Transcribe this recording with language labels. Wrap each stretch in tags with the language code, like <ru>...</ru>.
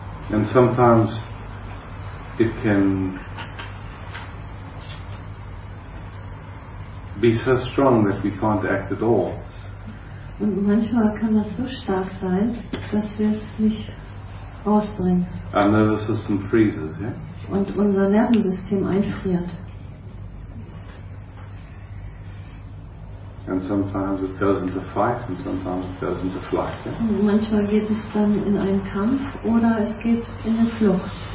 <en>And sometimes it can be so strong that we can't act at all.</en> <de>Und manchmal kann das so stark sein, dass wir es nicht rausbringen.</de> <en>Our nervous system freezes, yeah?</en> <de>Und unser Nervensystem einfriert.</de> <en>And sometimes it goes into fight and sometimes it goes into flight, yeah?</en> <de>Und manchmal geht es dann in einen Kampf oder es geht in eine Flucht.</de>